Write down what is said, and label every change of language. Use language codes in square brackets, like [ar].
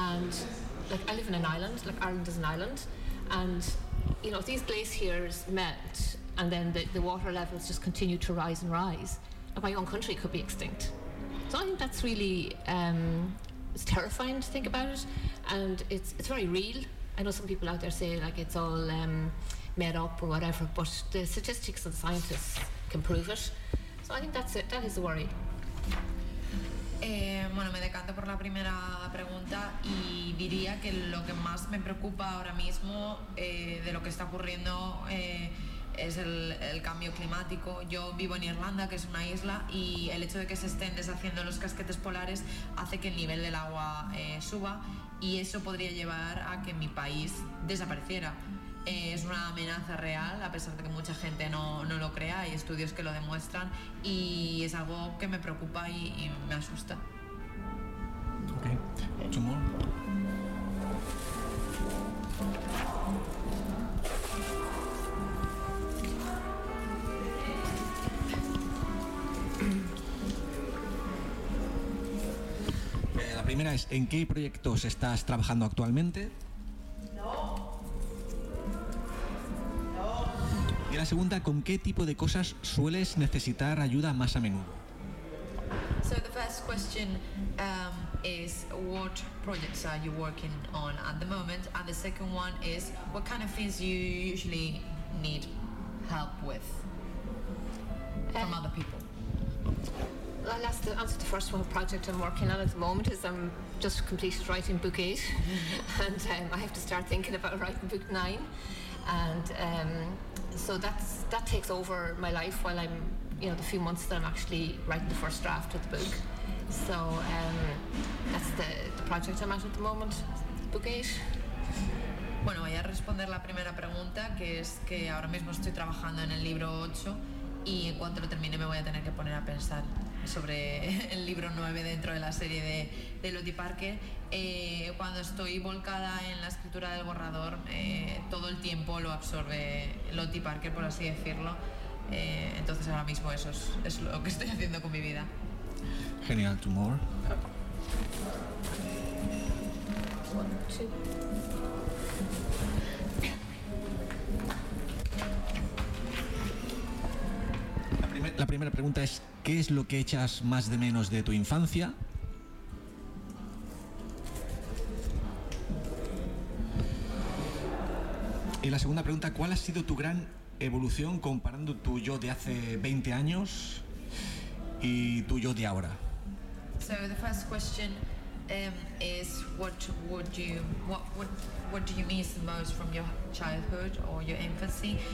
[en] And like I live in an island. Like Ireland is an island. And you know, if these glaciers melt, and then the water levels just continue to rise and rise, my own country could be extinct. So I think that's really it's terrifying to think about it, and it's very real. I know some people out there say like it's all made up or whatever, but the statistics and scientists can prove it. So I think that's it. That is the worry. [es] Bueno, me decanto por la primera pregunta y diría que lo que más me preocupa ahora mismo de lo que está ocurriendo es el cambio climático. Yo vivo en Irlanda, que es una isla, y el hecho de que se estén deshaciendo los casquetes polares hace que el nivel del agua suba, y eso podría llevar a que mi país desapareciera. Es una amenaza real, a pesar de que mucha gente no lo crea, hay estudios que lo demuestran, y es algo que me preocupa y me asusta. Ok. Mucho más. primera es, ¿en qué proyectos estás trabajando actualmente? No. Y la segunda, ¿con qué tipo de cosas sueles necesitar ayuda más a menudo? [en] So the first question is, what projects are you working on at the moment? And the second one is, what kind of things you usually need help with from other people? Well, I'll ask the answer to the first one. The project I'm working on at the moment is I'm just completed writing book 8, and I have to start thinking about writing book 9. And so that takes over my life while I'm, you know, the few months that I'm actually writing the first draft of the book. So that's the project I'm at the moment, book 8. [es] Bueno, voy a responder la primera pregunta, que es que ahora mismo estoy trabajando en el libro 8 y en cuanto lo termine me voy a tener que poner a pensar sobre el libro 9 dentro de la serie de Lottie Parker. Cuando estoy volcada en la escritura del borrador, todo el tiempo lo absorbe Lottie Parker, por así decirlo. Entonces ahora mismo eso es lo que estoy haciendo con mi vida. [en] Genial, two more. [es] La primera pregunta es, ¿qué es lo que echas más de menos de tu infancia? Y la segunda pregunta, ¿cuál ha sido tu gran evolución comparando tu yo de hace 20 años y tu yo de ahora? [en] So the first question is, what do you miss the most from your childhood or your infancy?